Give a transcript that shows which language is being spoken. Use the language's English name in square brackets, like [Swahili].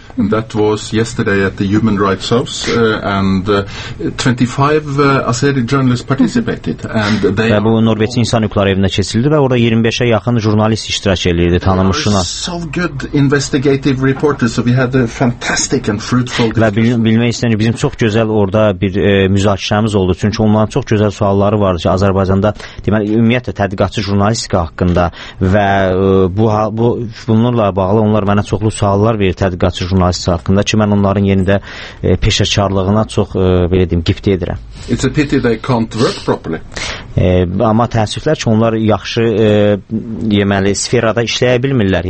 [English] And that was yesterday at the Human Rights House and 25 Azeri journalists participated and they [Azerbaijani] bu Norveçin insan hüquqları evində keçirildi və orada 25-ə yaxın jurnalist iştirak eləyirdi, tanımışına. [English] So good investigative reporters, so we had a fantastic and fruitful discussion. [Azerbaijani] Və bilmək istəyirəm ki, bizim çox gözəl orada bir müzakirəmiz oldu, çünki onların çox gözəl sualları vardı ki, Azərbaycanda deməli ümumiyyətlə tədqiqatçı jurnalistika haqqında və bu bunlarla bağlı onlar mənə çoxlu suallar verdi tədqiqatçı jurnalist haqqında ki, mən onların yenidə peşəkarlığına çox belə deyim, gift edirəm. [English] It's a pity they can't work properly. [Azerbaijani] Amma təəssüflər ki, onlar yaxşı deməli sferada işləyə bilmirlər.